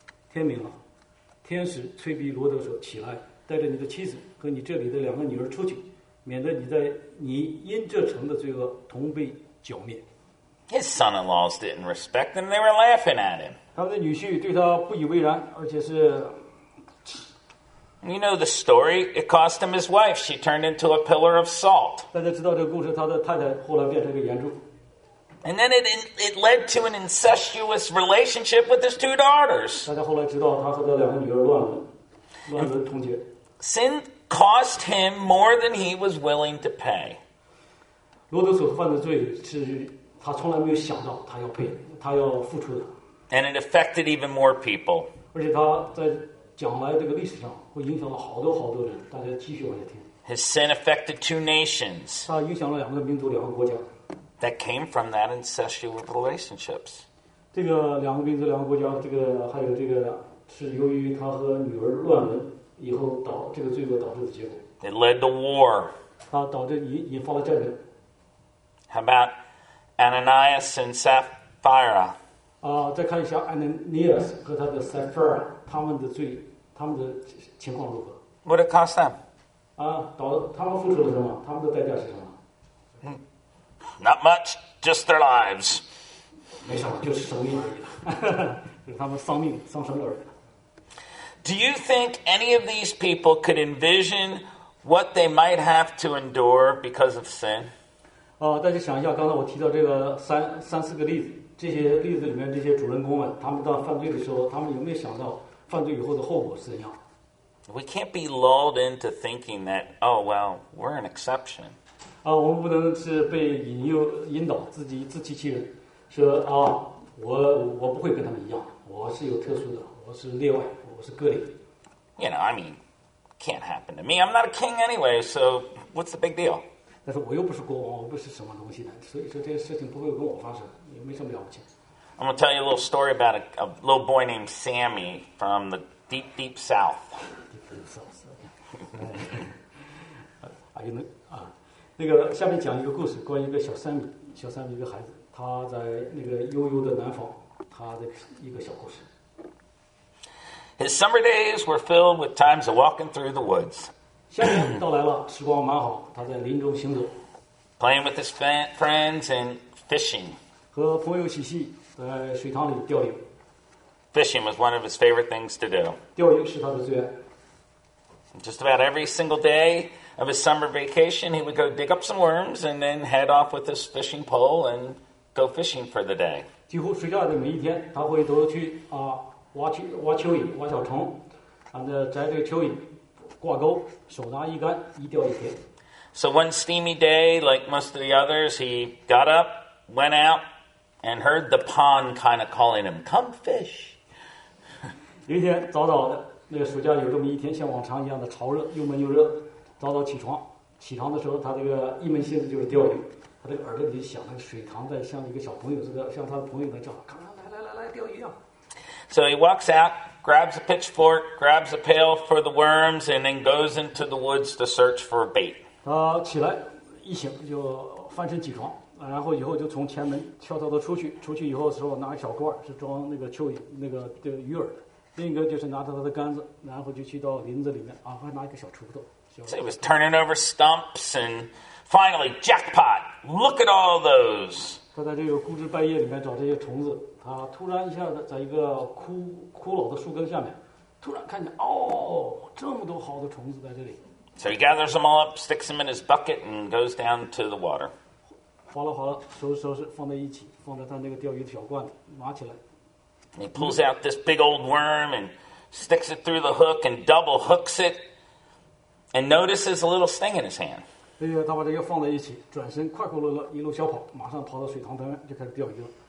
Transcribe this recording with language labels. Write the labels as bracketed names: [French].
[Chinese] 天明了，天使催逼罗德说：“起来，带着你的妻子和你这里的两个女儿出去，免得你因这城的罪恶同被剿灭。” [English] His son-in-laws didn't respect him; they were laughing at him. [Chinese] 他的女婿对他不以为然，而且是。 [English] You know the story. It cost him his wife. She turned into a pillar of salt. [Chinese] 大家知道这个故事，他的太太后来变成一个圆柱。 [English] And then it led to an incestuous relationship with his two daughters. [Chinese] 大家后来知道他和他两个女儿乱伦通奸。 [English] Sin cost him more than he was willing to pay. [Chinese] 罗德所犯的罪是他从来没有想到他要付出的。 [English] And it affected even more people. [Chinese] 而且他在将来这个历史上会影响了好多好多人。大家继续往下听。 [English] His sin affected two nations. [Chinese] 他影响了两个民族，两个国家。 [English] That came from that incestuous relationships. [Chinese] 这个两个民族，两个国家，这个还有这个是由于他和女儿乱伦以后这个罪恶导致的结果。 [English] It led to war. [Chinese] 他导致引发了战争。 [English] How about Ananias and Sapphira? [Chinese] 再看一下 Ananias 和他的 Sapphira， 他们的罪，他们的情况如何 [English] ？What it cost them? [Chinese] 他们付出了什么？他们的代价是什么？ [English] Not much, just their lives. [Chinese] 没什么，就是生命而已了。就是他们丧命、丧生了而已。 [English] Do you think any of these people could envision what they might have to endure because of sin? [Chinese] 大家想一下，刚才我提到这个三四个例子，这些例子里面这些主人公们，他们到犯罪的时候，他们有没有想到犯罪以后的后果是怎样 [English] ？We can't be lulled into thinking that, oh well, we're an exception. [Chinese] 我们不能是被引导自欺欺人，说我不会跟他们一样，我是有特殊的，我是例外，我是个例。 [English] You know, I mean, can't happen to me. I'm not a king anyway, so what's the big deal? [Chinese] 但是我又不是国王，我不是什么东西的，所以说这些事情不会跟我发生，也没什么了不起。 [English] I'm gonna tell you a little story about a little boy named Sammy from the deep, deep south. Deep, deep south. Are you know? [Chinese] 那个下面讲一个故事，关于一个小三米一个孩子，他在那个悠悠的南方，他的一个小故事。 [English] His summer days were filled with times of walking through the woods. [Chinese] 夏天到来了，时光蛮好，他在林中行走。 [English] Playing with his friends and fishing. [Chinese] 和朋友嬉戏，在水塘里钓鱼。 [English] Fishing was one of his favorite things to do. [Chinese] 钓鱼是他的最爱。 [English] Just about every single day of his summer vacation, he would go dig up some worms and then head off with his fishing pole and go fishing for the day. [Chinese] 几乎暑假的每一天，他会都去挖蚯蚓、挖小虫，然后摘这个蚯蚓，挂钩，手拿一竿，一钓一天。 [English] So one steamy day, like most of the others, he got up, went out, and heard the pond kind of calling him, "Come fish." [Chinese] 有一天早早的，那个暑假有这么一天，像往常一样的潮热，又闷又热。早早起床，起床的时候，他这个一门心思就是钓鱼。他这个耳朵里就响，那个水塘在像一个小朋友似的，像他的朋友在叫，来来来来来钓鱼啊。 [English] So he walks out, grabs a pitchfork, grabs a pail for the worms, and then goes into the woods to search for bait. [Chinese] 他起来一醒就翻身起床，然后以后就从前门悄悄地出去。出去以后的时候，拿小罐是装那个蚯蚓，那个的鱼饵。另一个就是拿着他的杆子，然后就去到林子里面啊，还拿一个小锄头。 [English] So he was turning over stumps, and finally, jackpot! Look at all those! [Chinese] 他在这个枯枝败叶里面找这些虫子，他突然一下子在一个枯老的树根下面，突然看见哦，这么多好的虫子在这里。 [English] So he gathers them all up, sticks them in his bucket, and goes down to the water. [Chinese] 划了划了，收拾收拾，放在一起，放在他那个钓鱼的小罐子，拿起来。 [English] He pulls out this big old worm and sticks it through the hook and double hooks it and notices a little sting in his hand. [Chinese] 哎呀，他把这个放在一起，转身快快乐乐一路小跑，马上跑到水塘旁边就开始钓鱼了。